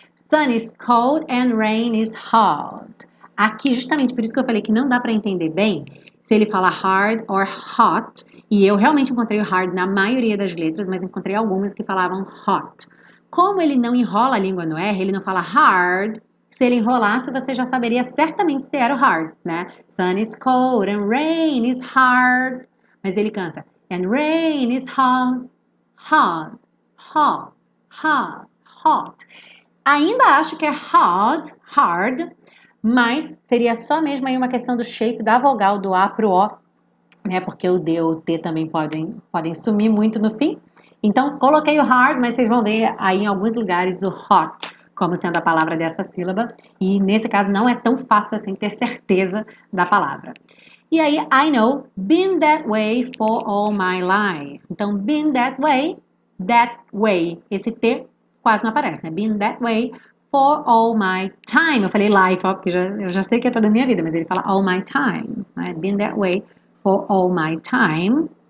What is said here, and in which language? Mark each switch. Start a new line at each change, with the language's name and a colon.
English: Sun is cold and rain is hot.
Portuguese: Aqui, justamente por isso que eu falei que não dá para entender bem se ele fala hard or hot. E eu realmente encontrei o hard na maioria das letras, mas encontrei algumas que falavam hot. Como ele não enrola a língua no R, ele não fala hard. Se ele enrolasse, você já saberia certamente se era o hard, né?
English: Sun is cold and rain is hard. Mas ele canta and rain is hot, hot, hot, hot, hot.
Portuguese: Ainda acho que é hot, hard, mas seria só mesmo aí uma questão do shape da vogal do A pro O, né? Porque o D ou o T também podem sumir muito no fim. Então, coloquei o hard, mas vocês vão ver aí em alguns lugares o hot como sendo a palavra dessa sílaba. E nesse caso, não é tão fácil assim ter certeza da palavra.
English: E aí, I know, been that way for all my life.
Portuguese: Então, been that way, esse T quase não aparece, né?
English: Been that way for all my time.
Portuguese: Eu falei life, ó, porque eu já sei que é toda a minha vida, mas ele fala all my time. Né?
English: Been that way for all my time.